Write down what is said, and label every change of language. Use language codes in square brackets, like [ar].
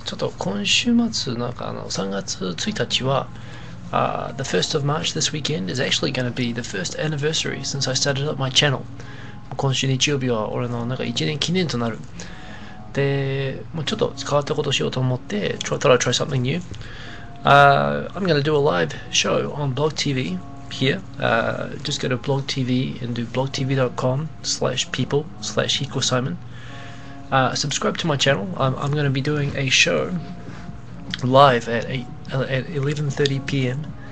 [ja] ちょっと今週末、なんか3月1日は、 [en] the 1st of March this weekend is actually going to be the first anniversary since I started up my channel。 [ja] 今週日曜日は、俺のなんか1年記念となる。で、もうちょっと変わったことをしようと思って、 [en] thought I'd try something new。 I'm going to do a live show on BlogTV here. Just go to BlogTV and do blogtv.com/people/Hikosaemon. Subscribe to my channel. I'm going to be doing a show live at 11:30 p.m.